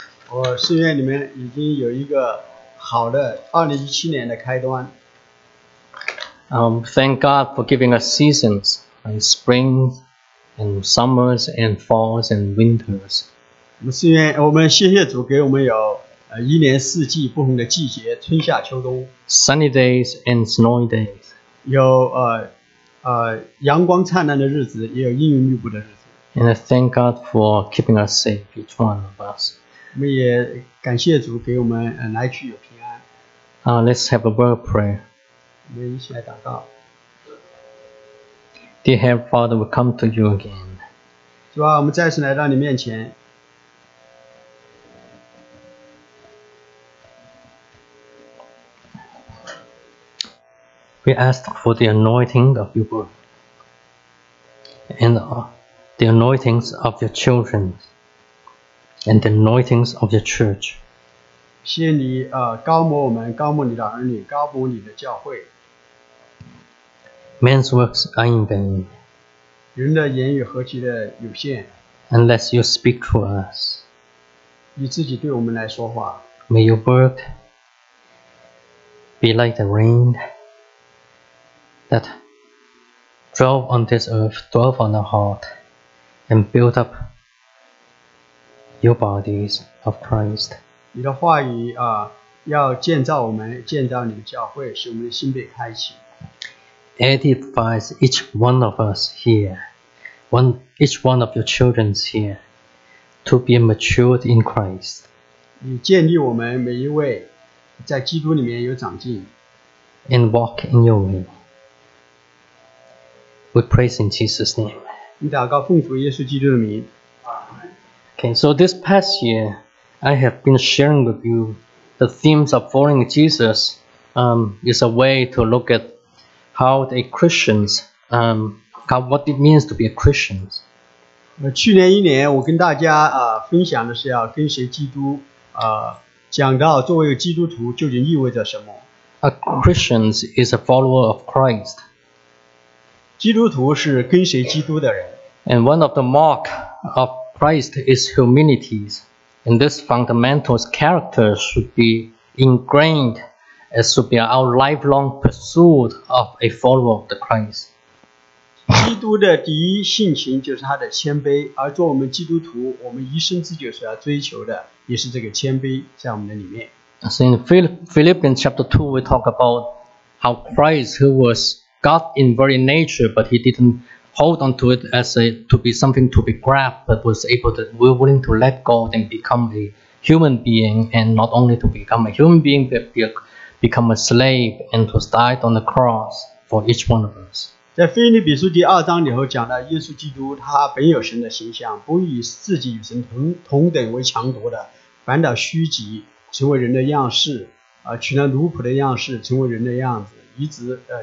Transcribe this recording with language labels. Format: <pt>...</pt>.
<zh>我心愿里面已经有一个好的2017年的开端。</zh> <en>Thank God for giving us seasons, like spring and summers and falls and winters.</en> <zh>我们谢谢主给我们有一年四季不同的季节，春夏秋冬。</zh> <en>Sunny days and snowy days.</en> <zh>有阳光灿烂的日子，也有阴云密布的日子。</zh> <en>And I thank God for keeping us safe, each one of us.</en> <zh>我们也感谢主给我们来去有平安。</zh> <en>Let's have a word of prayer.</en> <zh>我们一起来祷告。</zh> <en>Dear Heavenly Father, we come to you again.</en> <zh>主啊，我们再次来到你面前。</zh> <en>We ask for the anointing of your word and the anointings of your children and the anointings of your church.</en> <zh>谢你高牧我们，高牧你的儿女，高牧你的教会。</zh> <en>Man's works are in vain.</en> <zh>人的言语何其的有限。</zh> <en>Unless you speak to us.</en> <zh>你自己对我们来说话。</zh> <en>May your word be like the rain. That dwell on this earth, dwell on our heart, and build up your bodies of Christ.</en> <zh>你的话语要建造我们，建造你的教会，使我们的心被开启。</zh> <en>Edifies each one of us here, each one of your children here, to be matured in Christ.</en> <zh>你建立我们每一位在基督里面有长进。</zh> <en>And walk in your way. We praise in Jesus' name. Okay, so this past year, I have been sharing with you the themes of following Jesus is a way to look at how the Christians, what it means to be a Christian.</en> <zh>去年一年我跟大家分享的是要跟随基督讲到作为基督徒究竟意味着什么。</zh> <en>A Christian is a follower of Christ.</en> <zh>基督徒是跟随基督的人。</zh> <en>And one of the marks of Christ is humility. And this fundamental character should be ingrained as should be our lifelong pursuit of a follower of the Christ.</en> <zh>基督的第一性情就是他的谦卑，而做我们基督徒，我们一生之久所要追求的也是这个谦卑在我们的里面。</zh> <en>So in Philippians chapter 2, we talk about how Christ who wasGod in very nature, but he didn't hold on to it as to be something to be grabbed, but was able to, were willing to let go and become a human being, and not only to become a human being, but become a slave and to die on the cross for each one of us.</en> <zh>在腓立比书第二章里头讲到，耶稣基督他本有神的形象，不以自己与神同等为强夺的，反倒虚己，成为人的样式，取了奴仆的样式，成为人的样子。</zh>